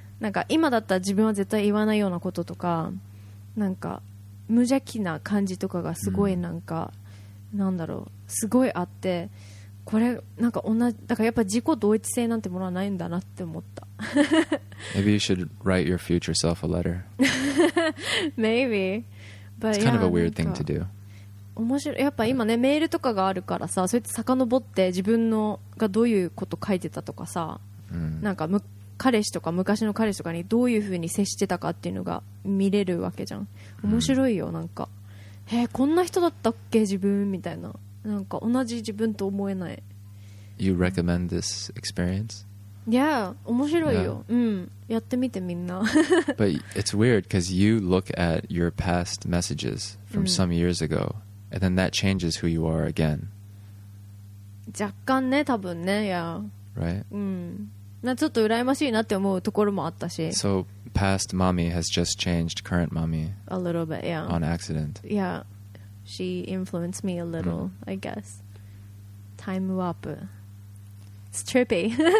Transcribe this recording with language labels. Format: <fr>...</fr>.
<ja>なんか今だったら自分は絶対言わないようなこととか、なんか無邪気な感じとかがすごいなんか、mm. なんだろう、すごいあって、これなんか同じ、だからやっぱ自己同一性なんてものはないんだなって思った。</ja> <en>Maybe you should write your future self a letter. Maybe. But it's kind of a weird thing to do.</en> <ja>面白い。やっぱ今ねメールとかがあるからさ、そうやって遡って自分のがどういうこと書いてたとかさ、うん、なんか彼氏とか昔の彼氏とかにどういう風に接してたかっていうのが見れるわけじゃん。面白いよ、なんか、うん、こんな人だったっけ自分みたいな、なんか同じ自分と思えない。</ja> <en>You recommend this experience? Yeah,</en> <ja>面白いよ、</ja> <en>yeah.</en> <ja>うん、やってみてみんな。</ja> <en>But it's weird because you look at your past messages from some years ago、</en> <ja>うん、</ja> <en>And then that changes who you are again.</en> <ja>若干ね、多分ね、</ja> <en>yeah. Right?</en> <ja>うん。なちょっと羨ましいなって思うところもあったし。</ja> <en>So past mommy has just changed current mommy. A little bit, yeah. On accident. Yeah. She influenced me a little,、mm. I guess. Time warp. It's trippy.</en>